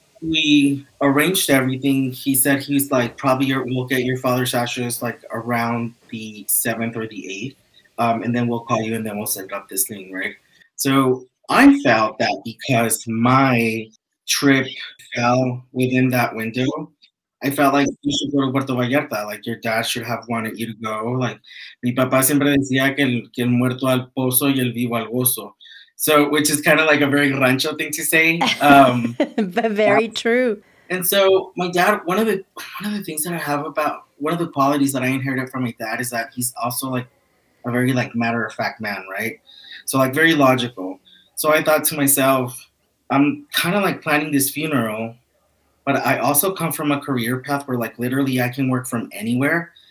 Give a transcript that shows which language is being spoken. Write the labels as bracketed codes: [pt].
[en] We arranged everything. He said he's like, probably we'll get your father's ashes like around the 7th or the 8th. And then we'll call you and then we'll set up this thing, right? So I felt that because my trip fell within that window, I felt like you should go to Puerto Vallarta. Like your dad should have wanted you to go. [es] Like, mi papá siempre decía que el muerto al pozo y el vivo al gozo. [en] So, which is kind of like a very rancho thing to say. But very true. And so my dad, one of the things that I have about one of the qualities that I inherited from my dad is that he's also like a very like matter of fact man, right? So like very logical. So I thought to myself, I'm kind of like planning this funeral, but I also come from a career path where like literally I can work from anywhere.